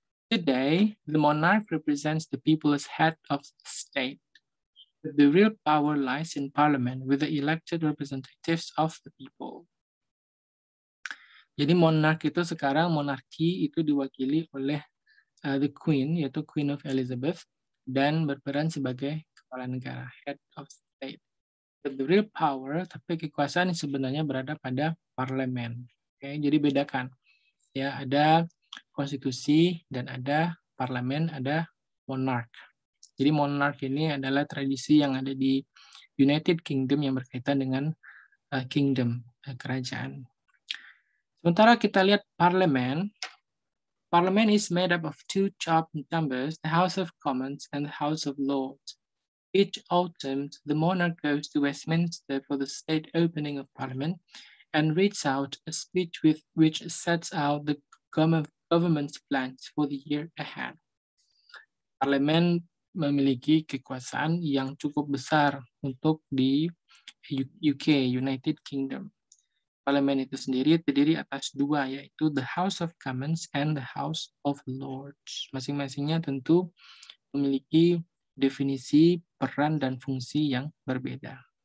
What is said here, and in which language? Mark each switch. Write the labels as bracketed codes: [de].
[en] Today, the monarch represents the people's head of state. The real power lies in parliament with the elected representatives of the people. [id] Jadi monarch itu sekarang monarki itu diwakili oleh the queen, yaitu Queen of Elizabeth, dan berperan sebagai kepala negara, [en] head of state. But the real power, [id] tapi kekuasaan sebenarnya berada pada parlemen. Okay, jadi bedakan. ya, ada konstitusi dan ada parlemen, ada monark. Jadi monark ini adalah tradisi yang ada di United Kingdom yang berkaitan dengan kingdom, kerajaan. Sementara kita lihat parlemen. [en] Parlemen is made up of two top numbers, the House of Commons and the House of Lords. Each autumn, the monarch goes to Westminster for the state opening of parliament and reads out a speech with which sets out the government's plans for the year ahead. [id] Parlemen memiliki kekuasaan yang cukup besar untuk di UK, United Kingdom. Parlemen itu sendiri terdiri atas dua, yaitu the House of Commons and the House of Lords. Masing-masingnya tentu memiliki definisi, peran, dan fungsi yang berbeda.